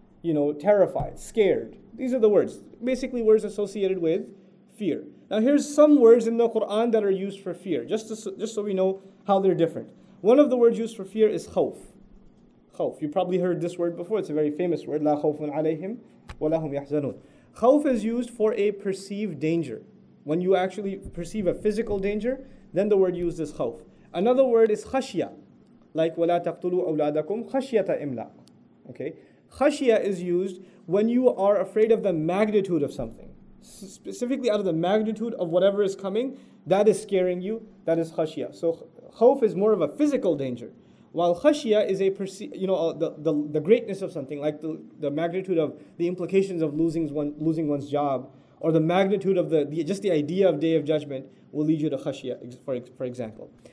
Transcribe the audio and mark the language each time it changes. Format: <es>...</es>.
<en>you know, terrified, scared. These are the words, basically words associated with fear. Now here's some words in the Quran that are used for fear, just so we know how they're different. One of the words used for fear is khawf. Khawf, you probably heard this word before, it's a very famous word.</en> <ar>لا خوف عليهم ولا هم يحزنون.</ar> <en>Khawf is used for a perceived danger. When you actually perceive a physical danger, then the word used is khawf. Another word is khashya. Like</en> <ar>ولا تقتلوا أولادكم خشية إملاق.</ar> <en>Okay, خشية is used when you are afraid of the magnitude of something, specifically out of the magnitude of whatever is coming that is scaring you. That is خشية. So خوف is more of a physical danger, while خشية is a the greatness of something, like the magnitude of the implications of losing one's job, or the magnitude of just the idea of Day of Judgment will lead you to خشية, for example.</en>